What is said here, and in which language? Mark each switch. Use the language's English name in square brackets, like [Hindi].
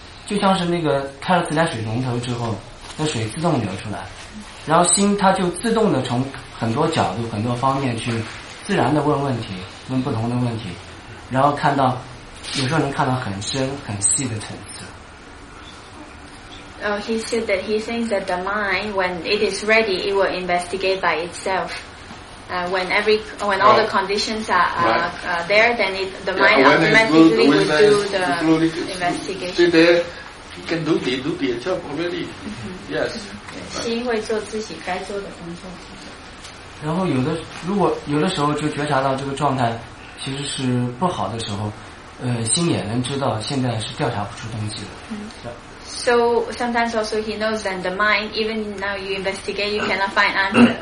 [Chinese] 就像是那个开了自来水龙头之后，那水自动流出来，然后心它就自动的从很多角度、很多方面去自然的问问题，问不同的问题，然后看到有时候能看到很深、很细的层次。 [English] Oh, he said that he thinks that the mind, when it is ready, it will investigate by itself. When all the conditions are there, then the mind automatically will do the investigation. He can do the job already. Mm-hmm. Yes. [Chinese] 心会做自己该做的工作。然后有的时候就觉察到这个状态其实是不好的时候，心也能知道现在是调查不出东西了。 [English] So sometimes also he knows that the mind, even now you investigate, you cannot find answer.